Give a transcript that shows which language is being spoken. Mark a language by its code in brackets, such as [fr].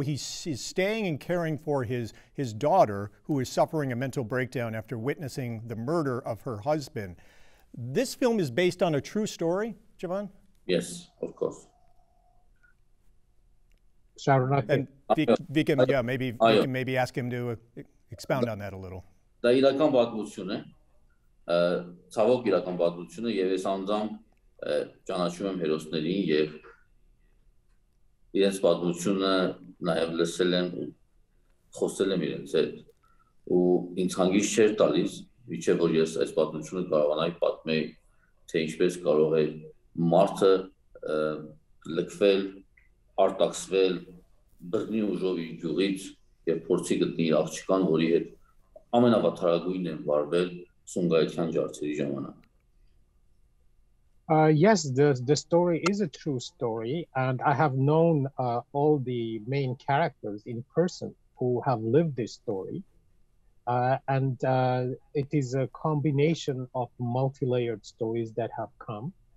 [en] He's staying and caring for his daughter, who is suffering a mental breakdown after witnessing the murder of her husband. This film is based on a true story, Jivan? Yes, of course. And Vikan, maybe ask him to expound on that a little. [hy] Դա իրական պատմություն է, ցավոք իրական պատմություն է, եւ ես անձամբ ճանաչում եմ հերոսներին եւ իրենց պատմությունը նաեւ լսել եմ, խոսել եմ իրենց հետ ու ինձ հանգիստ չէր տալիս, միչեվ որ ես այս պատմությունը կարողանայի պատմել, թե ինչպես կարող է մարդը լքվել, արտաքսվել բռնի ուժովի գյուղից եւ փորձի գտնել իր աղջկան, որի հետ ամենավատարագույնն են վարվել Սունգայիթյան ջարդերի ժամանակ. [en] Yes, the story is a true story, and I have known all the main characters in person who have lived this story. And it is a combination of multi-layered stories that have come.